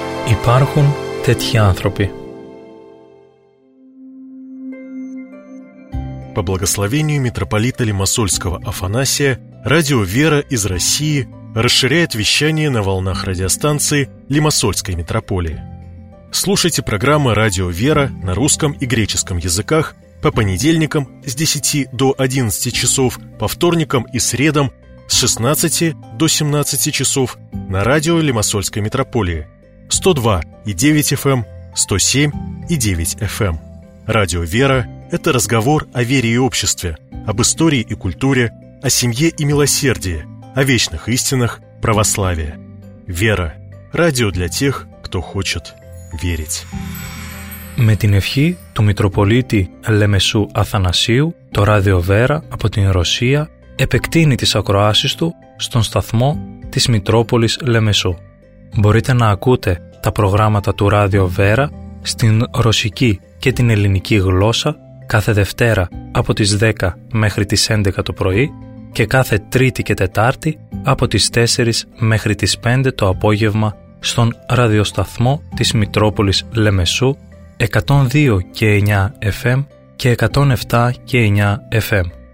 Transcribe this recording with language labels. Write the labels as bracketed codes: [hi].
[el] Υπάρχουν τέτοιοι άνθρωποι. [ru] По благословению митрополита Лимассольского Афанасия, радио «Вера» из России расширяет вещание на волнах радиостанции Лимассольской митрополии. Слушайте программы «Радио Вера» на русском и греческом языках по понедельникам с 10 до 11 часов, по вторникам и средам с 16 до 17 часов на радио Лимассольской митрополии 102,9 FM, 107,9 FM. «Радио Вера» – это разговор о вере и обществе, об истории и культуре, о семье и милосердии, о вечных истинах православия. Вера. Радио для тех, кто хочет верить. [el] Με την ευχή του Μητροπολίτη Λεμεσού Αθανασίου, το Ράδιο Βέρα από την Ρωσία επεκτείνει τις ακροάσεις του στον σταθμό της Μητρόπολης Λεμεσού. Μπορείτε να ακούτε τα προγράμματα του Ράδιο Βέρα στην ρωσική και την ελληνική γλώσσα κάθε Δευτέρα από τις 10 μέχρι τις 11 το πρωί και κάθε Τρίτη και Τετάρτη από τις 4 μέχρι τις 5 το απόγευμα στον ραδιοσταθμό της Μητρόπολης Λεμεσού 102 και 9 FM και 107 και 9 FM.